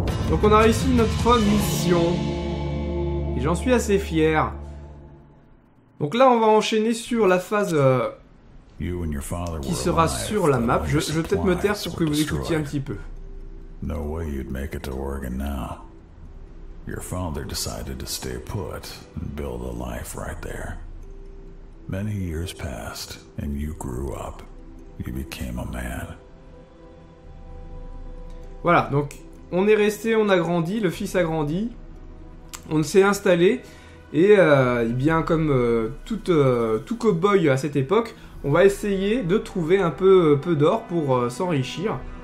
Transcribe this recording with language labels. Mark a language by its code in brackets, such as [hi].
[fr] Donc on a réussi notre mission. Et j'en suis assez fier. Donc là, on va enchaîner sur la phase qui sera sur la map. Je vais peut-être me taire pour que vous écoutiez un petit peu. [en] No way you'd make it to Oregon now. Your father decided to stay put and build a life right there. Many years passed, and you grew up. You became a man. [fr] Voilà, donc on est resté, on a grandi, le fils a grandi, on s'est installé, et bien comme tout cow-boy à cette époque, on va essayer de trouver un peu d'or pour s'enrichir.